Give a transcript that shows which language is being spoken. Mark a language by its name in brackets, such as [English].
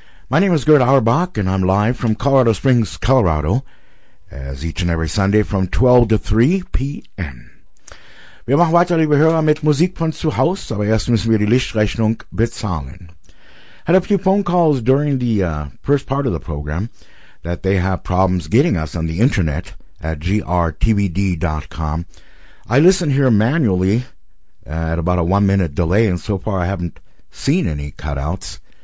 [English] My name is Gerd Auerbach, and I'm live from Colorado Springs, Colorado, as each and every Sunday from 12 to 3 p.m. [German] Wir machen weiter, liebe Hörer, mit Musik von zu Hause, aber erst müssen wir die Lichtrechnung bezahlen. [English] Had a few phone calls during the first part of the program that they have problems getting us on the internet at grtvd.com. I listen here manually at about a 1 minute delay, and so far I haven't seen any cutouts.